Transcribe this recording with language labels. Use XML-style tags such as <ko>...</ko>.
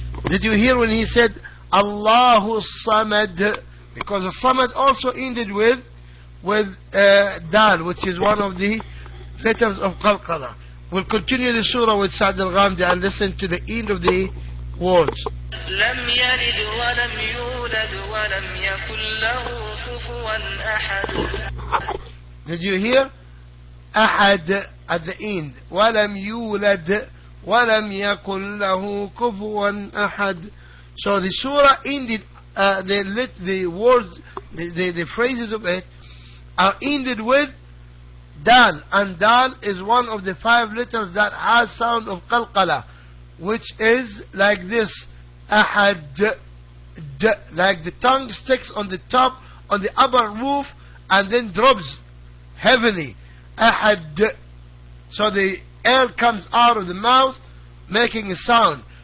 <en>Did you hear when he said</en> <ar>الله الصمد?</ar> <en>Because الصمد also ended with دال, which is one of the letters of قلقلة. We'll continue the surah with Sa'd al-Ghamdi and listen to the end of the words.</en> <ar>لم يلد ولم يولد ولم يكن له كفوا أحد.</ar> <en>Did you hear? أحد at the end.</en> <ar>ولم يولد ولم يكن له كفوا أحد.</ar> <en>So the surah ended, the phrases of it are ended with Dal, and Dal is one of the five letters that has sound of Qalqala, which is like this, Ahad, D, like the tongue sticks on the top, on the upper roof, and then drops heavily, Ahad, so the air comes out of the mouth, making a sound.</en>